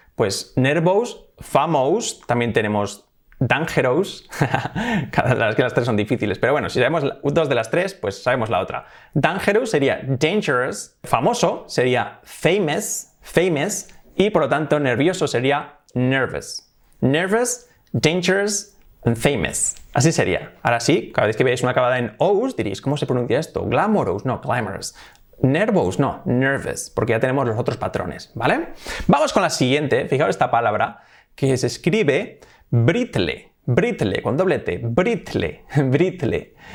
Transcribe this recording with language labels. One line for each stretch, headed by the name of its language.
Spanish: Pues nervous, famous, también tenemos dangerous. Cada vez que las tres son difíciles. Pero bueno, si sabemos dos de las tres, pues sabemos la otra. Dangerous sería dangerous. Famoso sería famous, famous. Y por lo tanto, nervioso sería nervous.
English: Nervous, dangerous, and famous.
Spanish: Así sería. Ahora sí, cada vez que veáis una acabada en ous, diréis, ¿cómo se pronuncia esto? Glamorous, no, glamorous. Nervous, no, nervous, porque ya tenemos los otros patrones, ¿vale? Vamos con la siguiente, fijaos esta palabra, que se escribe brittle, brittle, con doble T, brittle, brittle.